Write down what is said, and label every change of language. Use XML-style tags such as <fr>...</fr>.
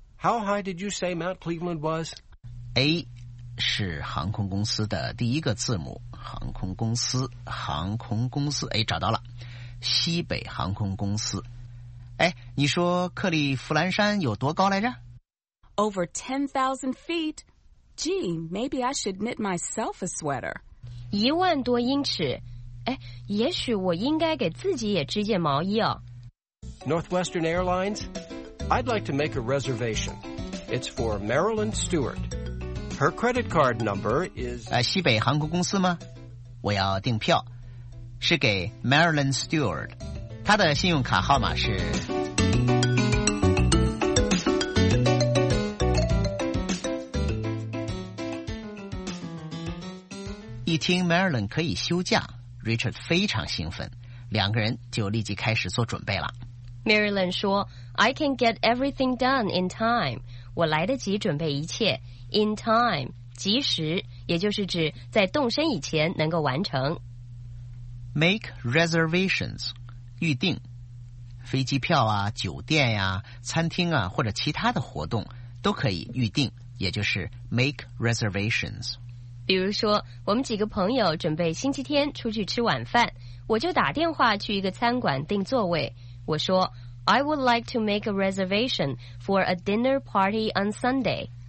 <en>How high did you say Mount Cleveland was?</en> <zh>A 是航空公司的第一个字母，航空公司。哎，找到了，西北航空公司。哎，你说克利夫兰山有多高来着？</zh> <en>Over 10,000 feet. Gee, maybe I should knit myself a sweater.</en> <zh>10,000多英尺。哎，也许我应该给自己也织件毛衣哦。</zh> <en>Northwestern Airlines, I'd like to make a reservation. It's for Marilyn Stewart. Her credit card number is...</en> <zh>西北航空公司吗？我要订票，是给 Marilyn Stewart。他的信用卡号码是。一听 Marilyn 可以休假， Richard 非常兴奋，两个人就立即开始做准备了。 Marilyn 说</zh> <en>I can get everything done in time.</en> <zh>我来得及准备一切。 In time 及时，也就是指在动身以前能够完成。 Make reservations预定，飞机票啊，酒店呀，餐厅啊，或者其他的活动都可以预定，也就是 make reservations。比如说我们几个朋友准备星期天出去吃晚饭，我就打电话去一个餐馆订座位。我说</zh> <en>I would like to make a reservation for a dinner party on Sunday。</en>